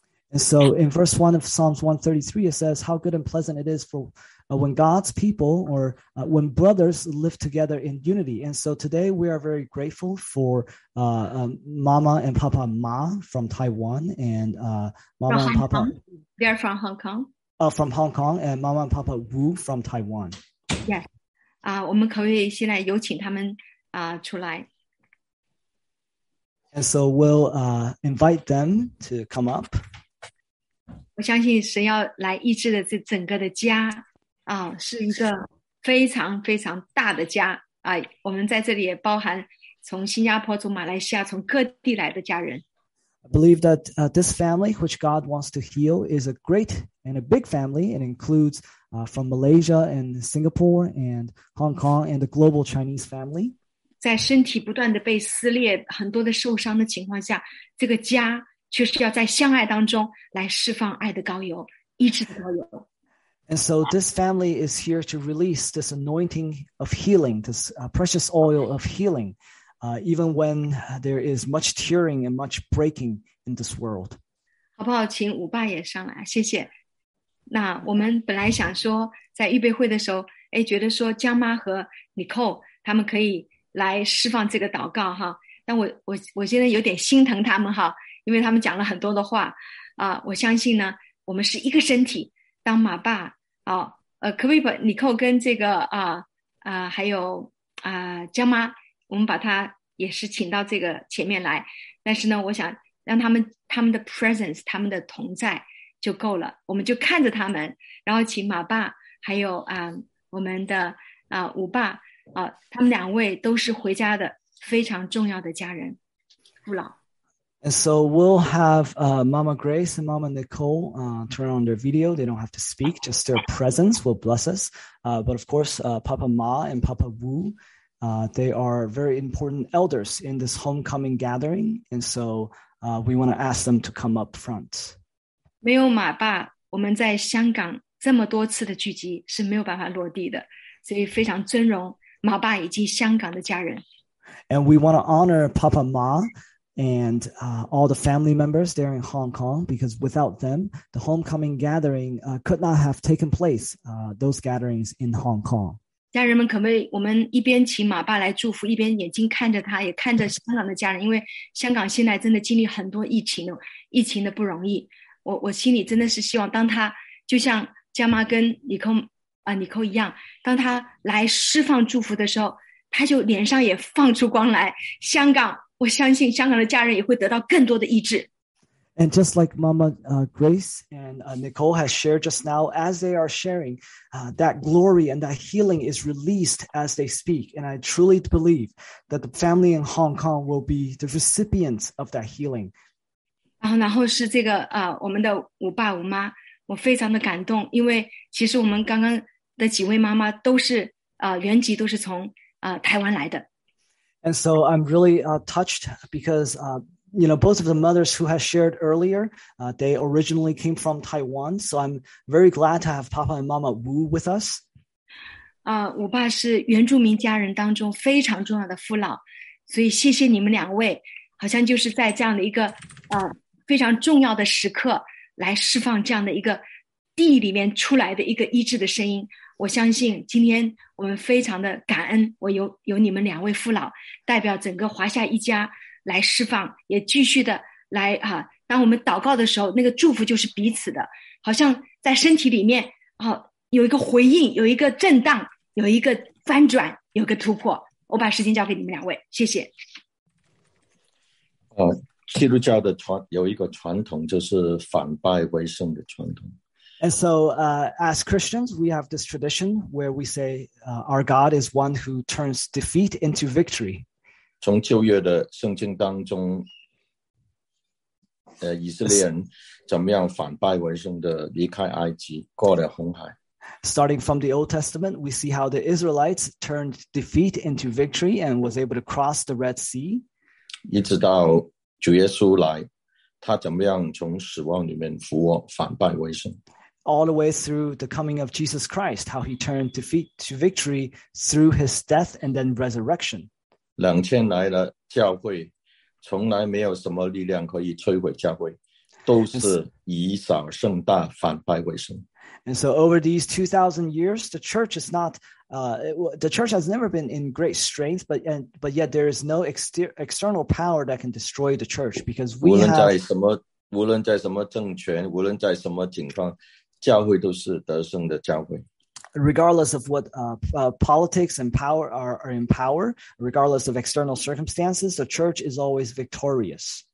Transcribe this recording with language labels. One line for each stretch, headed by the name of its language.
English: And so in verse 1 of Psalms 133, it says, how good and pleasant it is for when God's people or when brothers live together in unity. And so today we are very grateful for Mama and Papa Ma from Taiwan and Mama and Papa. They are from Hong Kong. From Hong Kong and Mama and Papa Wu from Taiwan. Yes.
Chinese: 我们可以现在有请他们 出来。
English: And so we'll invite them to come up.
Chinese: 我相信神要来医治的这整个的家,是一个非常非常大的家,我们在这里也包含从新加坡,从马来西亚,从各地来的家人。
English: believe that this family, which God wants to heal, is a great and a big family and includes from Malaysia and Singapore and Hong Kong and the global Chinese family.
Chinese: 在身体不断地被撕裂，很多的受伤的情况下，这个家却是要在相爱当中来释放爱的膏油，医治的膏油。
English: And so this family is here to release this anointing of healing, this precious oil of healing, even when there is much tearing and much breaking in this world.
Chinese: 好不好，请五爸也上来，谢谢。那我们本来想说，在预备会的时候，哎，觉得说江妈和 Nicole 他们可以来释放这个祷告哈，但我现在有点心疼他们哈，因为他们讲了很多的话啊。我相信呢，我们是一个身体。当马爸啊，可不可以把 Nicole 跟这个还有江妈，我们把他也是请到这个前面来。但是呢，我想让他们的 presence， 他们的同在就够了。我们就看着他们，然后请马爸还有我们的五爸。他们两位都是回家的非常重要的家人，父老。
English: And so we'll have Mama Grace and Mama Nicole turn on their video. They don't have to speak, just their presence will bless us. But of course, Papa Ma and Papa Wu, they are very important elders in this homecoming gathering. And so we want to ask them to come up front.
Chinese: 没有马爸，我们在香港这么多次的聚集是没有办法落地的，所以非常尊荣。马爸以及香港的家人。
English: And we want to honor Papa Ma and all the family members there in Hong Kong, because without them, the homecoming gathering could not have taken place, those gatherings in Hong Kong.
Chinese: 家人们，可不可以我们一边请马爸来祝福，一边眼睛看着他，也看着香港的家人，因为香港现在真的经历很多疫情的不容易。我心里真的是希望，当他就像江妈跟李克。 Nicole 一样，当他来释放祝福的时候，他就脸上也放出光来。香港，我相信香港的家人也会得到更多的医治。
English: And just like Mama Grace and Nicole has shared just now, as they are sharing, that glory and that healing is released as they speak. And I truly believe that the family in Hong Kong will be the recipients of that healing.
Chinese: 然后是这个我们的五爸五妈。我非常的感动，因为其实我们刚刚的几位妈妈都是原籍都是从台湾来的。
English: And so I'm really touched because you know, both of the mothers who have shared earlier, they originally came from Taiwan. So I'm very glad to have Papa and Mama Wu with us.
Chinese: 我爸是原住民家人当中非常重要的父老，所以谢谢你们两位，好像就是在这样的一个非常重要的时刻。来释放这样的一个地里面出来的一个医治的声音，我相信今天我们非常的感恩，我有你们两位父老代表整个华夏一家来释放，也继续的来当我们祷告的时候，那个祝福就是彼此的，好像在身体里面有一个回应，有一个震荡，有一个翻转，有个突破。我把时间交给你们两位，谢谢。好。基督教的有一个传统，就是反败为胜的传统。
English: And so, as Christians, we have this tradition where we say, our God is one who turns defeat into victory.
Chinese: 从旧约的圣经当中，以色列人怎么样反败为胜的离开埃及，过了红海。
English: Starting from the Old Testament, we see how the Israelites turned defeat into victory and was able to cross the Red Sea.
Chinese: 一直到主耶稣来，他怎么样从死亡里面复活，反败为胜
English: ？All the way through the coming of Jesus Christ, how he turned defeat to victory through his death and then resurrection.
Chinese: 2000来了，教会从来没有什么力量可以摧毁教会，都是以少胜大，反败为胜。
English: And so over these 2,000 years, the church is not, the church has never been in great strength, but yet there is no external power that can destroy the church because we
Chinese: 无论在什么政权，无论在什么情况，教会都是得胜的教会。
English: Regardless of what politics and power are in power, regardless of external circumstances, the church is always victorious.